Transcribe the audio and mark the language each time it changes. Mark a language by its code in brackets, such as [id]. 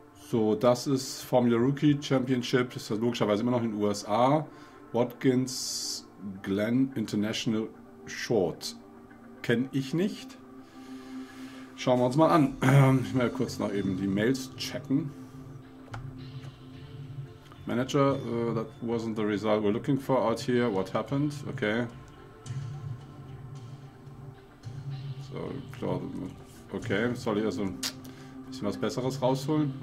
[de] So, das ist Formula Rookie Championship. Das ist logischerweise immer noch in den USA. Watkins Glen International Short. Kenne ich nicht. Schauen wir uns mal an. Ich werde kurz noch eben die Mails checken. [en] Manager, that wasn't the result we're looking for out here. What happened? Okay. [de] So, okay, soll ich also ein bisschen was Besseres rausholen?